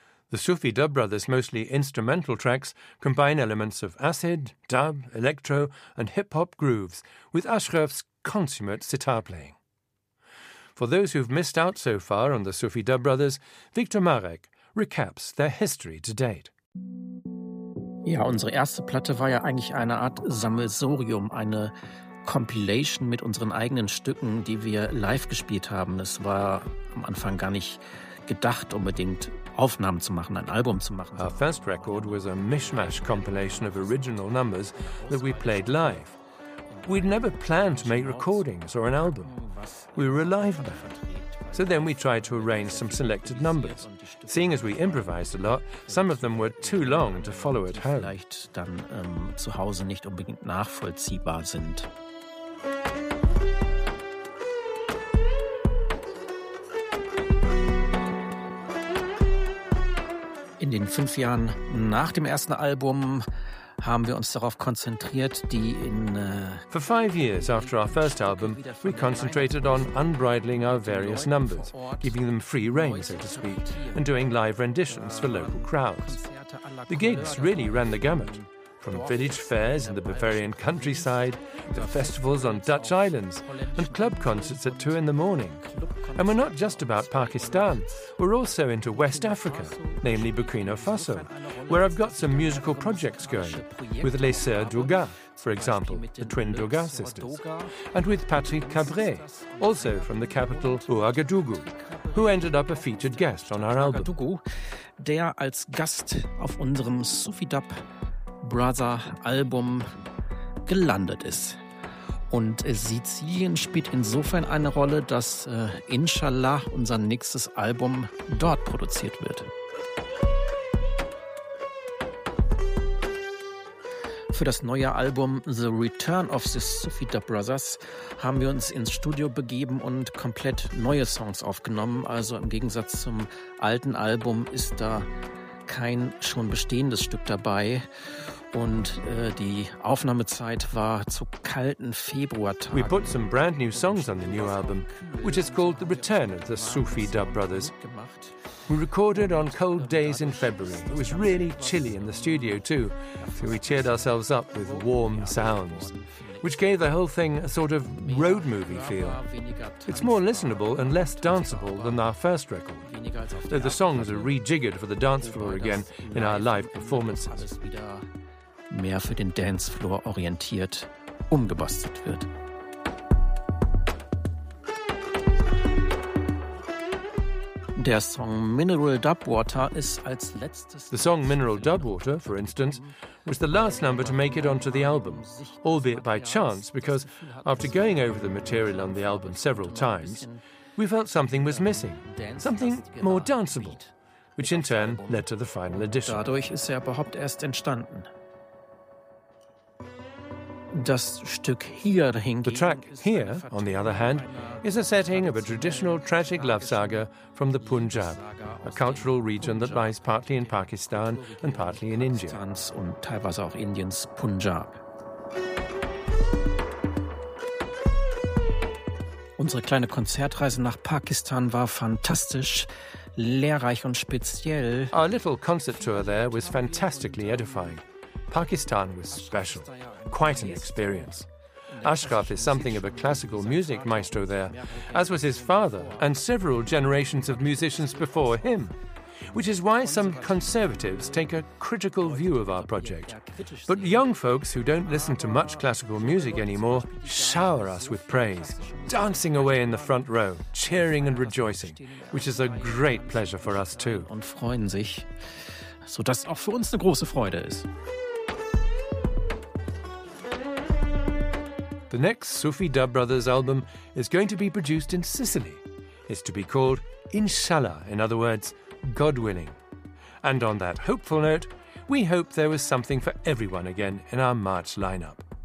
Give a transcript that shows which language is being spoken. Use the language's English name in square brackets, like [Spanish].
[English] The Sufi Dub Brothers' mostly instrumental tracks combine elements of acid, dub, electro and hip-hop grooves with Ashraf's consummate sitar playing. For those who've missed out so far on the Sufi Dub Brothers, Victor Marek recaps their history to date. [German] Ja, unsere erste Platte war ja eigentlich eine Art Sammelsurium, eine Compilation mit unseren eigenen Stücken, die wir live gespielt haben. Es war am Anfang gar nicht gedacht, unbedingt Aufnahmen zu machen, ein Album zu machen. [English] Our first record was a mishmash compilation of original numbers that we played live. We'd never planned to make recordings or an album. We were a live band. So then we tried to arrange some selected numbers. Seeing as we improvised a lot, some of them were too long to follow at home. [German] Vielleicht dann zu Hause nicht unbedingt nachvollziehbar sind. In den 5 Jahren nach dem ersten Album haben wir uns darauf konzentriert, die in [English] For 5 years after our first album, we concentrated on unbridling our various numbers, giving them free rein, so to speak, and doing live renditions for local crowds. The gigs really ran the gamut, from village fairs in the Bavarian countryside, to festivals on Dutch islands, and club concerts at 2 in the morning. And we're not just about Pakistan, we're also into West Africa, namely Burkina Faso, where I've got some musical projects going, with Les Sœurs Douga, for example, the twin Douga sisters, and with Patrick Cabré, also from the capital Ouagadougou, who ended up a featured guest on our album. [German] Der als Gast auf unserem Sufi Dub Brother Album gelandet ist. Und Sizilien spielt insofern eine Rolle, dass Inshallah unser nächstes Album dort produziert wird. Für das neue Album The Return of the Sufi Dub Brothers haben wir uns ins Studio begeben und komplett neue Songs aufgenommen. Also im Gegensatz zum alten Album ist da kein schon bestehendes Stück dabei. Und die Aufnahmezeit war zu kalten Februartagen. [English] We put some brand new songs on the new album, which is called The Return of the Sufi Dub Brothers. We recorded on cold days in February. It was really chilly in the studio too. So we cheered ourselves up with warm sounds, which gave the whole thing a sort of road movie feel. It's more listenable and less danceable than our first record, though the songs are rejiggered for the dance floor again in our live performances. [German] Mehr für den Dancefloor orientiert, umgebastelt wird. Der Song Mineral Dub Water ist als letztes. [English] The song Mineral Dub Water, for instance, was the last number to make it onto the album, albeit by chance, because after going over the material on the album several times, we felt something was missing, something more danceable, which in turn led to the final edition. [German] Dadurch ist er überhaupt erst entstanden. Das Stück hier [English] the track here, on the other hand, is a setting of a traditional tragic love saga from the Punjab, a cultural region that lies partly in Pakistan and partly in India. [German] Und teilweise auch Indiens Punjab. Unsere kleine Konzertreise nach Pakistan war fantastisch, lehrreich und speziell. [English] Our little concert tour there was fantastically edifying. Pakistan was special, quite an experience. Ashraf is something of a classical music maestro there, as was his father and several generations of musicians before him, which is why some conservatives take a critical view of our project. But young folks who don't listen to much classical music anymore shower us with praise, dancing away in the front row, cheering and rejoicing, which is a great pleasure for us too. [German] Und freuen sich, so dass auch für uns eine große Freude ist. [English] The next Sufi Dub Brothers album is going to be produced in Sicily, is to be called Inshallah, in other words, God willing. And on that hopeful note, we hope there was something for everyone again in our March lineup.